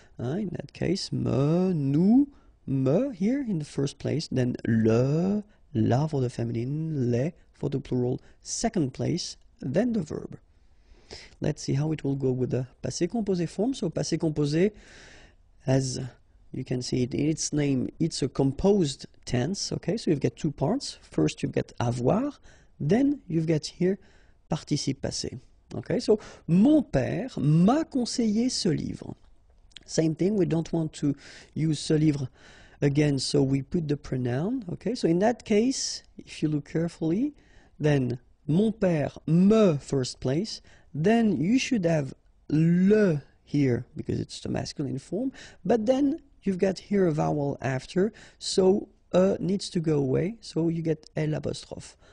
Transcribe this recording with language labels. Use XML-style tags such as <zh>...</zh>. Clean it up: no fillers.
<en>In that case, me, nous, me here in the first place, then le, la for the feminine, les for the plural, second place, then the verb. Let's see how it will go with the passé composé form. So passé composé, as you can see it in its name, it's a composed tense. Okay, so you've got two parts. First, you've got avoir, then you've got here participe passé.</en> <fr>Okay, so mon père m'a conseillé ce livre.</fr> <en>Same thing, we don't want to use ce livre again, so we put the pronoun. Okay, so in that case, if you look carefully, then mon père me first place, then you should have le here because it's the masculine form, but then you've got here a vowel after, so needs to go away, so you get l apostrophe.</en>